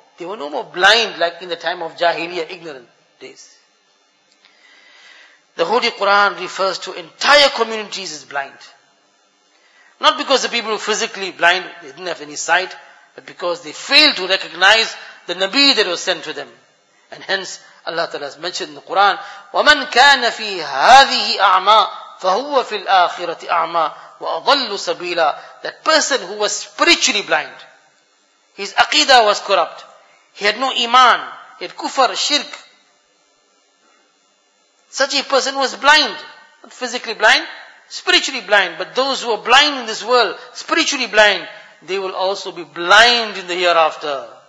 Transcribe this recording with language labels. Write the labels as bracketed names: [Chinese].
[English] They were no more blind like in the time of Jahiliyyah, ignorant days. The Holy Quran refers to entire communities as blind. Not because the people were physically blind, they didn't have any sight, but because they failed to recognize the Nabi that was sent to them. And hence, Allah Ta'ala has mentioned in the Quran, [Arabic] وَمَنْ كَانَ فِي هَذِهِ أَعْمَى فَهُوَ فِي الْآخِرَةِ أَعْمَى وَأَضَلُّ سَبِيلًا. [English] That person who was spiritually blind, his aqidah was corrupt, he had no iman, he had kufr, shirk. Such a person was blind, not physically blind, spiritually blind. But those who are blind in this world, spiritually blind, they will also be blind in the hereafter.